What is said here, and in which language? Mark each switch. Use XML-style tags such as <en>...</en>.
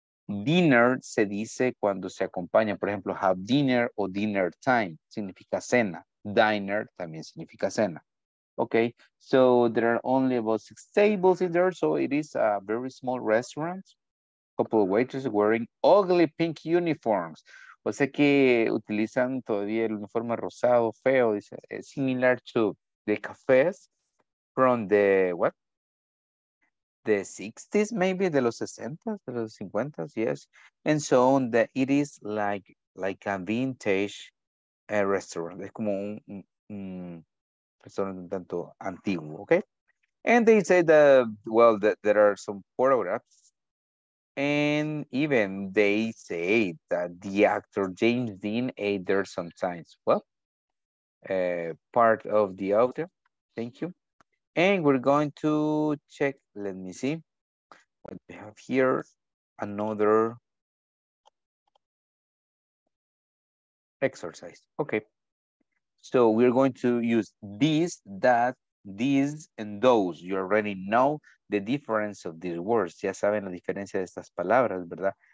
<es>Dinner se dice cuando se acompaña, por ejemplo,</es> <en>have dinner</en> <es>o</es> <en>dinner time</en> <es>significa cena. Diner también significa cena.</es> <en>Okay, so there are only about 6 tables in there, so it is a very small restaurant. Couple of waitresses wearing ugly pink uniforms.</en> <es>O sea que utilizan todavía el uniforme rosado feo.</es> <en>It's similar to the cafes from the, what? The 60s, maybe,</en> <es>de los 60s, de los 50s,</es> <en>yes. And so on, that it is like a vintage restaurant.</en> <es>Es como un...</es> <en>okay, and they say that, well, that there are some photographs, and even they say that the actor James Dean ate there sometimes. Well, part of the audio. Thank you. And we're going to check, let me see what we have here. Another exercise. Okay. So we're going to use these, that, these, and those. You already know the difference of these words.</en> <es>Ya saben la diferencia de estas palabras, ¿verdad?</es>